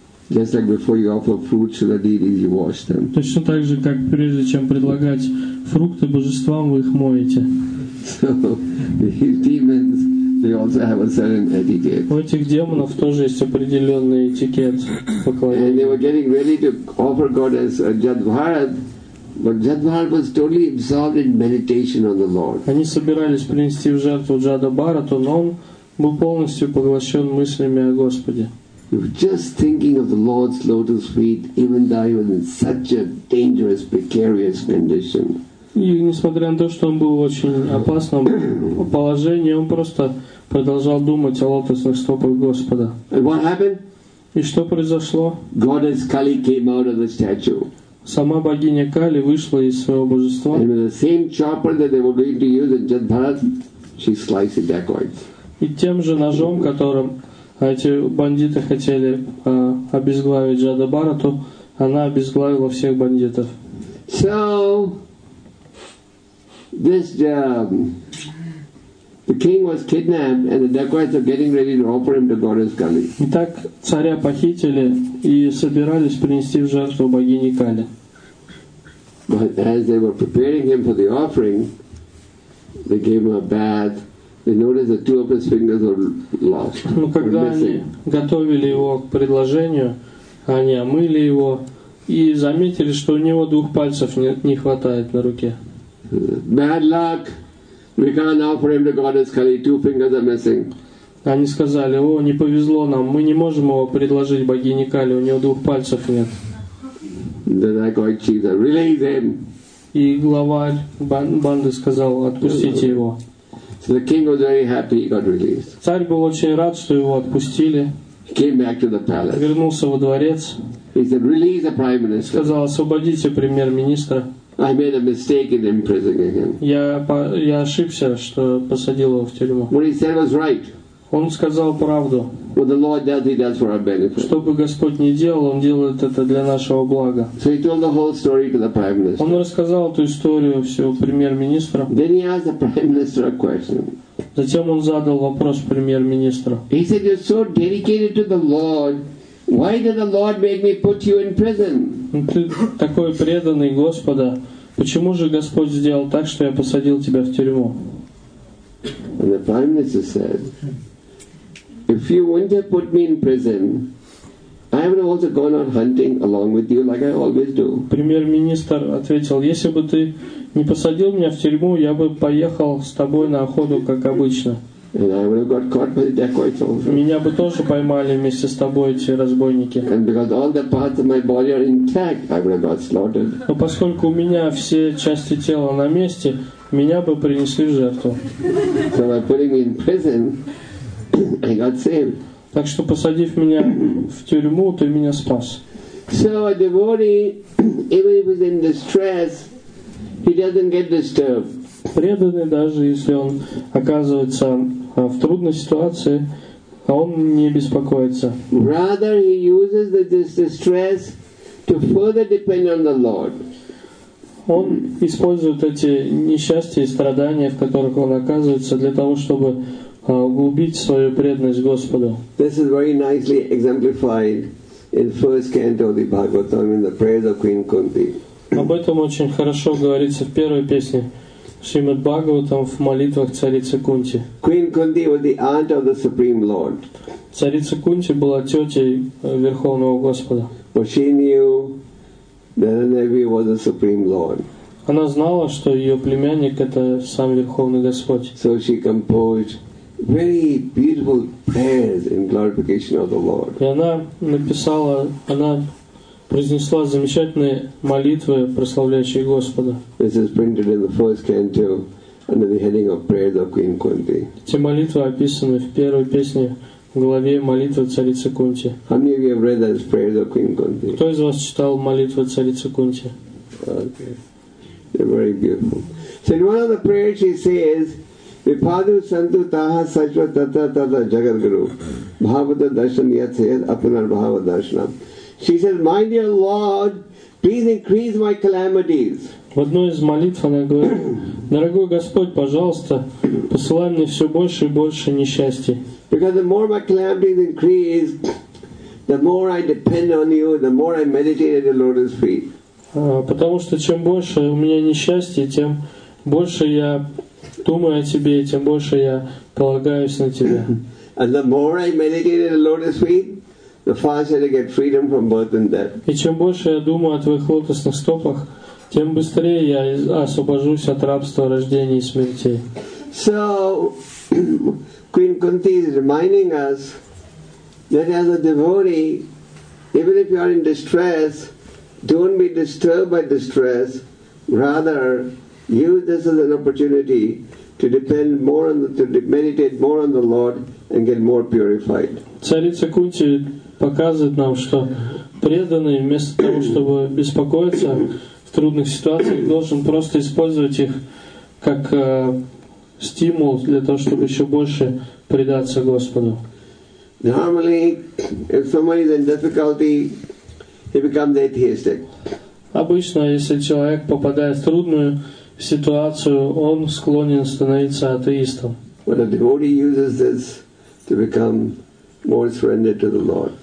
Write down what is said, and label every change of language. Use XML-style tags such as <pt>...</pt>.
<en>Just like before you offer food to the deities, you wash them.</en> <ru>Точно так же, как прежде чем предлагать фрукты божествам, вы их моете.</ru> <en>So these demons, they also have a certain etiquette.</en> <ru>У этих демонов тоже есть определенный этикет поклонения.</ru> <en>And they were getting ready to offer God as Jad Bharat, but Jad Bharat was totally absorbed in meditation on the Lord.</en> <ru>Они собирались принести в жертву Джада Бхарату, но он был полностью поглощен мыслями о Господе.</ru> <en>You were just thinking of the Lord's lotus feet, even though he was in such a dangerous, precarious condition.</en> <ru>И несмотря на то, что он был в очень опасном положении, он просто продолжал думать о лотосных стопах Господа.</ru> <en>And what happened?</en> <ru>И что произошло?</ru> <en>Goddess Kali came out of the statue.</en> <ru>Сама богиня Кали вышла из своего божества.</ru> <en>And with the same chopper that they were going to use in Jad Bharat, she sliced the dacoits.</en> <ru>И тем же ножом, которым эти бандиты хотели обезглавить Джада Бхарату, она обезглавила всех бандитов.</ru> <en>So, this the king was kidnapped, and the dacoits are getting ready to offer him to goddess Kali.</en> <ru>Итак, царя похитили и собирались принести в жертву богине Кали.</ru> <en>But as they were preparing him for the offering, they gave him a bath. They noticed that two of his fingers were lost.</en> <ru>Но когда они готовили его к предложению, они омыли его и заметили, что у него двух пальцев не хватает на руке.</ru> <en>Bad luck. We can't offer him to goddess Kali. Two fingers are missing.</en> <ru>Они сказали: "О, не повезло нам. Мы не можем его предложить богине Кали. У него двух пальцев нет."</ru> <en>The dacoit chief said, "Release him."</en> <ru>И главарь банды сказал: "Отпустите его."</ru> <en>So the king was very happy he got released.</en> <ru>Царь был очень рад, что его отпустили.</ru> <en>He came back to the palace.</en> <ru>Вернулся во дворец.</ru> <en>He said, "Release the prime minister."</en> <ru>Сказал: "Освободите премьер-министра."</ru> <en>I made a mistake in imprisoning him.</en> <ru>Я ошибся, что посадил его в тюрьму.</ru> <en>What he said was right.</en> <ru>Он сказал правду.</ru> <en>What the Lord does, He does for our benefit.</en> <ru>Что бы Господь ни делал, Он делает это для нашего блага.</ru> <en>So he told the whole story to the Prime Minister.</en> <ru>Он рассказал эту историю всего премьер-министру.</ru> <en>Then he asked the Prime Minister a question.</en> <ru>Затем он задал вопрос премьер-министру.</ru> <en>He said, "You're so dedicated to the Lord. Why did the Lord make me put you in prison?"</en> <ru>Ты такой преданный Господа. Почему же Господь сделал так, что я посадил тебя в тюрьму?</ru> <en>And the Prime Minister said, "If you wouldn't have put me in prison, I would have also gone out hunting along with you, like I always do."</en> <ru>Премьер-министр ответил: "Если бы ты не посадил меня в тюрьму, я бы поехал с тобой на охоту, как обычно.</ru> <en>And I would have got caught by the dacoits also.</en> <ru>Меня бы тоже поймали вместе с тобой эти разбойники.</ru> <en>And because all the parts of my body are intact, I would have got slaughtered.</en> <ru>Но поскольку у меня все части тела на месте, меня бы принесли в жертву.</ru> <en>So by putting me in prison, I got saved.</en> <ru>Так что, посадив меня в тюрьму, ты меня спас.</ru> <en>So a devotee, even if he's in distress, he doesn't get disturbed.</en> <ru>Преданный, даже если он оказывается в трудной ситуации, он не беспокоится.</ru> <en>Rather, he uses this distress to further depend on the Lord.</en> <ru>Он использует эти несчастья и страдания, в которых он оказывается, для того, чтобы углубить свою преданность Господу.</ru> <en>This is very nicely exemplified in first canto of the Bhagavatam in the prayers of Queen Kunti.</en> <ru>Об этом очень хорошо говорится в первой песне Шримад Бхагаватам в молитвах царицы Кунти.</ru> <en>Queen Kunti was the aunt of the Supreme Lord.</en> <ru>Царица Кунти была тетей Верховного Господа.</ru> <en>But she knew that Ananavi was the Supreme Lord.</en> <ru>Она знала, что ее племянник — это сам Верховный Господь.</ru> <en>So she composed very beautiful prayers in glorification of the Lord.</en> <ru>И она написала, она произнесла замечательные молитвы, прославляющие Господа.</ru> <en>This is printed in the first canto under the heading of Prayers of Queen Kunti.</en> <ru>Эти молитвы описаны в первой песне в главе молитвы царицы Кунти.</ru> <en>How many of you have read those prayers of Queen Kunti?</en> <ru>Кто из вас читал молитвы царицы Кунти?</ru> <en>Okay. They're very beautiful. So in one of the prayers she says,</en> <sa>Vipadu santu taha sajva tata tata jagadguru bhavata darshan yat sayat apunar bhavata darshanam.</sa> <en>She says, "My dear Lord, please increase my calamities."</en> <ru>В одной из молитв она говорит: "Дорогой Господь, пожалуйста, посылай мне все больше и больше несчастья."</ru> <en>Because the more my calamities increase, the more I depend on you, the more I meditate at the Lord's feet.</en> <ru>Потому что чем больше у меня несчастья, тем больше я думаю о тебе, тем больше я полагаюсь на тебя.</ru> <en>And the more I meditate at the Lord's feet, the faster to get freedom from birth and death.</en> <ru>И чем больше я думаю о твоих лотосных стопах, тем быстрее я освобожусь от рабства рождения и смерти.</ru> <en>So Queen Kunti is reminding us that as a devotee, even if you are in distress, don't be disturbed by distress. Rather, use this as an opportunity to depend more on the, to meditate more on the Lord and get more purified.</en> <ru>Царица Кунти показывает нам, что преданный, вместо того, чтобы беспокоиться в трудных ситуациях, должен просто использовать их как стимул для того, чтобы еще больше предаться Господу.</ru> <en>Normally, if somebody is in difficulty, he becomes atheistic.</en> <ru>Обычно, если человек попадает в трудную ситуацию, он склонен становиться атеистом.</ru> <en>But a devotee uses this to become more surrendered to the Lord.</en>